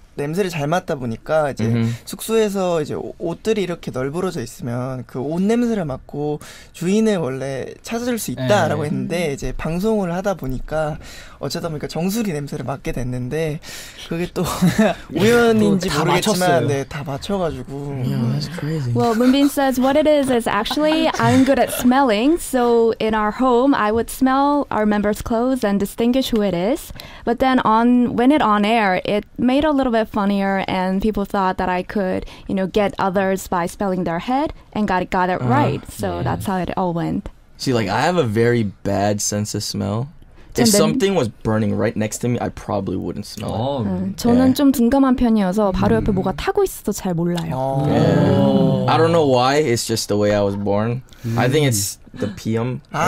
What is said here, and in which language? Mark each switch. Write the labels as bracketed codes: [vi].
[ko] 냄새를 잘 맡다 보니까 이제 숙소에서 이제 옷들이 이렇게 널브러져 있으면 그 옷 냄새를 맡고 주인을 원래 찾을 수 있다라고 했는데 이제 방송을 하다 보니까 어쩌다 보니까 정수리 냄새를 맡게 됐는데 그게 또 우연인지 다 모르겠지만 네, 다 맞춰가지고 [en] Well, Moonbin says what it is actually I'm good at smelling. So in our home, I would smell our members' clothes and distinguish who it is. But then when it air, it made a little bit funnier and people thought that I could, you know, get others by smelling their head and got it right. So yeah. That's how it all went. See, like, I have a very bad sense of smell. If something was burning right next to me, I probably wouldn't smell it. [ko] 저는 좀 둔감한 편이어서 바로 옆에 뭐가 타고 있어도 잘 몰라요. [en] I don't know why, it's just the way I was born. I think it's the PM.